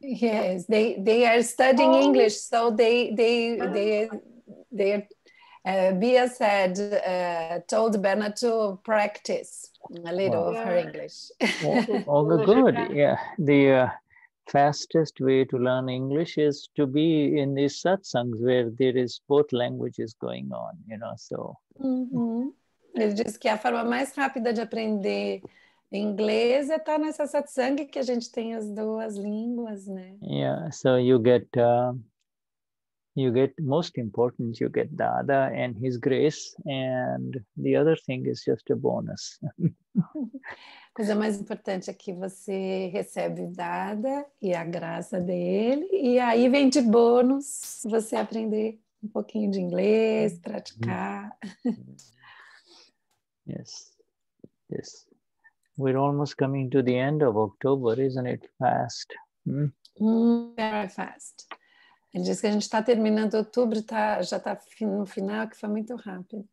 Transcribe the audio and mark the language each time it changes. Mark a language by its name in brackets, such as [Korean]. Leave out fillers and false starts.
[English] Yes, they are studying English, so Bia said told Berna to practice a little of her English. All good. Yeah, the fastest way to learn English is to be in these satsangs where there is both languages going on, you know. So, [Portuguese] Ele disse que a forma mais rápida de aprender inglês é estar nessa satsang que a gente tem as duas línguas, né? [English] yeah. So you get most important, you get Dada and His Grace, and the other thing is just a bonus. [Portuguese] Coisa mais importante é que você recebe dada e a graça dele, e aí vem de bônus você aprender um pouquinho de inglês, praticar. [English] Yes. We're almost coming to the end of October, isn't it fast? Very fast. [Portuguese] Ele disse que a gente está terminando outubro, já está no final, que foi muito rápido.